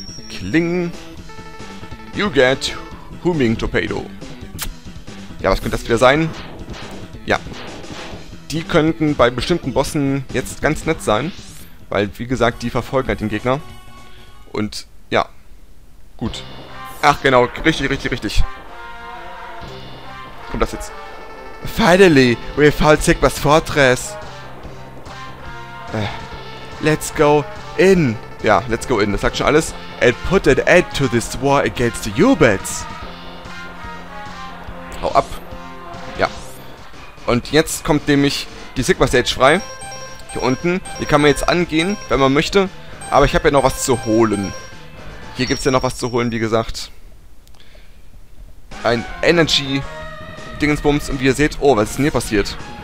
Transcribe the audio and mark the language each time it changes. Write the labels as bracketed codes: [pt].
[de] Kling. [en] You get Humming Torpedo. [de] Ja, was könnte das wieder sein? Ja. Die könnten bei bestimmten Bossen jetzt ganz nett sein. Weil, wie gesagt, die verfolgen halt den Gegner. Und, ja. Gut. Ach, genau. Richtig, richtig, richtig. Kommt das jetzt? [en] Finally, we found Sigma's Fortress. Let's go in. [de] Ja, [en] let's go in. [de] Das sagt schon alles. [en] And put an end to this war against the Ubets. [de] Hau ab. Ja. Und jetzt kommt nämlich die Sigma Stage frei. Hier unten. Die kann man jetzt angehen, wenn man möchte. Aber ich habe ja noch was zu holen. Hier gibt es ja noch was zu holen, wie gesagt. Ein Energy-Dingensbums. Und wie ihr seht, oh, was ist denn hier passiert?